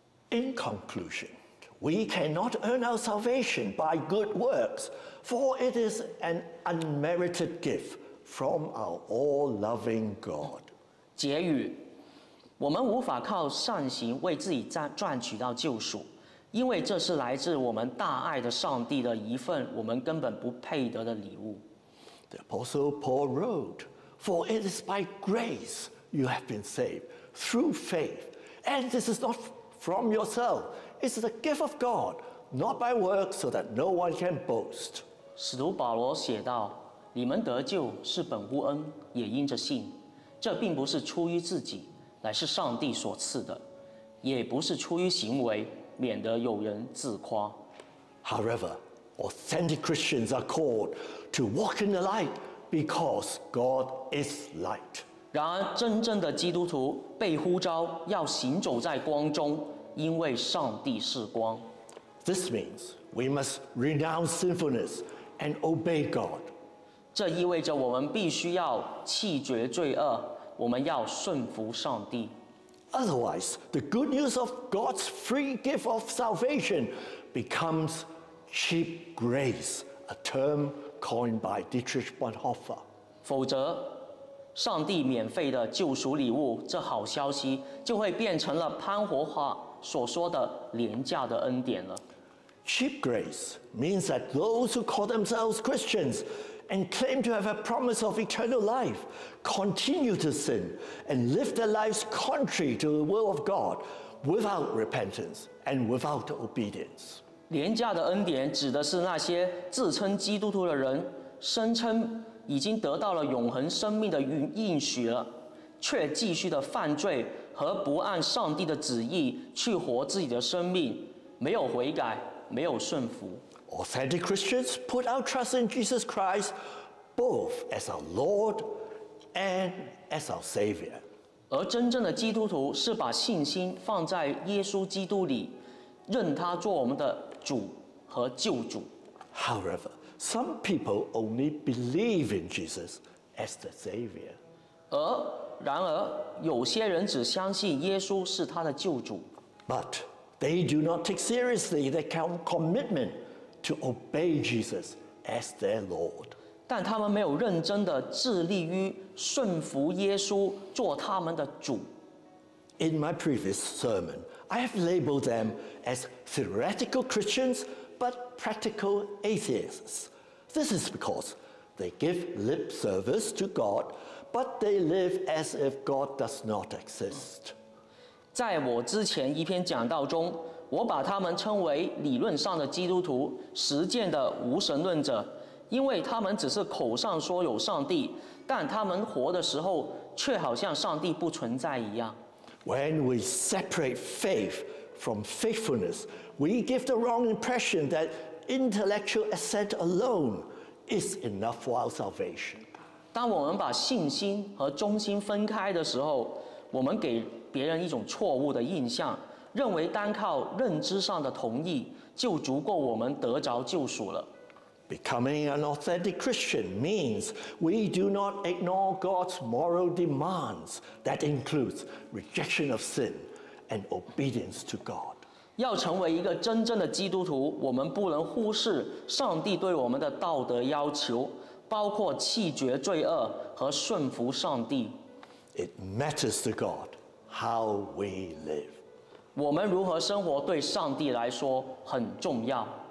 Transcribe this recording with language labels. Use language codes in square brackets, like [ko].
[en] In conclusion,We cannot earn our salvation by good works, for it is an unmerited gift from our all-loving God. [zh] 结语，我们无法靠善行为自己赚取到救赎，因为这是来自我们大爱的上帝的一份我们根本不配得的礼物。 [en] The Apostle Paul wrote, For it is by grace you have been saved, through faith, and this is not from yourself,It's the gift of God, not by works, so that no one can boast. [zh] 使徒保罗写道，你们得救是本乎恩，也因着信。这并不是出于自己，乃是上帝所赐的，也不是出于行为，免得有人自夸。 [en] However, Authentic Christians are called to walk in the light because God is light. [zh] 然而，真正的基督徒被呼召要行走在光中，因为上帝是光。 [en] This means we must renounce sinfulness and obey God. [zh] 这意味着我们必须要弃绝罪恶，我们要顺服上帝。 [en] Otherwise, the good news of God's free gift of salvation becomes cheap grace, a term coined by Dietrich Bonhoeffer. [zh] 否则，上帝免费的救赎礼物这好消息就会变成了潘活化所说的廉价的恩典了。 [en] Cheap grace means that those who call themselves Christians and claim to have a promise of eternal life continue to sin and live their lives contrary to the will of God without repentance and without obedience. [zh] 廉价的恩典指的是那些自称基督徒的人声称已经得到了永恒生命的应许了，却继续的犯罪和不按上帝的旨意去活自己的生命，没有悔改，没有顺服。 [en] Authentic Christians put our trust in Jesus Christ both as our Lord and as our Savior. [zh] 而真正的基督徒是把信心放在耶稣基督里，认他做我们的主和救主。 [en] However,Some people only believe in Jesus as the Savior. [zh] 然而，有些人只相信耶稣是他的救主。 [en] But they do not take seriously their commitment to obey Jesus as their Lord. [zh] 但他们没有认真地致力于顺服耶稣做他们的主。 [en] In my previous sermon, I have labeled them as theoretical Christians. But practical atheists. This is because they give lip service to God, but they live as if God does not exist. [zh] 在我之前一篇讲道中，我把他们称为理论上的基督徒，实践的无神论者，因为他们只是口上说有上帝，但他们活的时候却好像上帝不存在一样。 [en] When we separate faith from faithfulness,We give the wrong impression that intellectual assent alone is enough for our salvation. [zh] 当我们把信心和忠心分开的时候，我们给别人一种错误的印象，认为单靠认知上的同意就足够我们得着救赎了。 [en] Becoming an authentic Christian means we do not ignore God's moral demands that includes rejection of sin and obedience to God. [zh] 要成为一个真正的基督徒，我们不能忽视上帝对我们的道德要求，包括弃绝罪恶和顺服上帝。 [en] It matters to God how we live. [zh] 我们如何生活对上帝来说很重要。